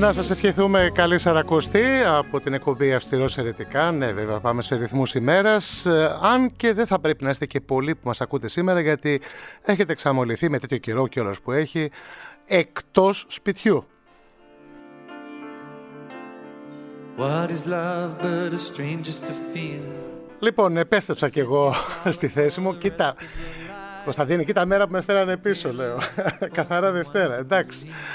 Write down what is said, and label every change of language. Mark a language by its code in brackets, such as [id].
[el] Να σας ευχηθούμε καλή Σαρακοστή από την εκπομπή Αυστηρώς Ερετικά. Ναι, βέβαια, πάμε σε ρυθμούς ημέρας. Αν και δεν θα πρέπει να είστε και πολλοί που μας ακούτε σήμερα, γιατί έχετε εξαμολυθεί με τέτοιο καιρό κιόλας που έχει εκτός σπιτιού. [en] What is love but a stranger's to feel? [el] Λοιπόν, επέστρεψα κι εγώ στη θέση μου. Κοίτα, Κωνσταντίνη, κοίτα μέρα που με φέρανε πίσω, λέω. Καθαρά Δευτέρα, εντάξει.